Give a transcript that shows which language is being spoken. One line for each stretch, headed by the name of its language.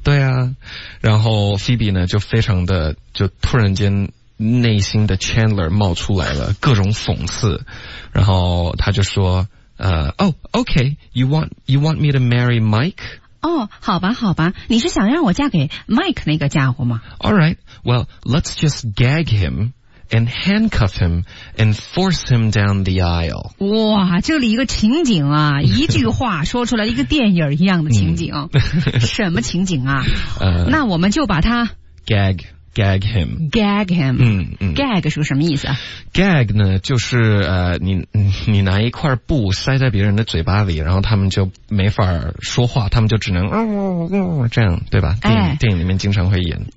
Chinese: 对啊然后 Phoebe 呢就非常的就突然间内心的 Chandler 冒出来了各种讽刺然后他就说
English: OK, you want me to marry Mike?
Chinese: 哦好吧好吧你是想让我嫁给 Mike 那个家伙吗
English: Alright, well, let's just gag him and handcuff him and force him down the aisle.
Chinese: 哇这里一个情景啊一句话说出来一个电影一样的情景。什么情景啊那我们就把他
English: Gag him. Gag him.
Chinese: Gag 是个什么意思啊 ?Gag 呢就是你拿一块布塞在别人的嘴巴里然后他们就没法说话他们就只能这样对吧、电影里面经常会演。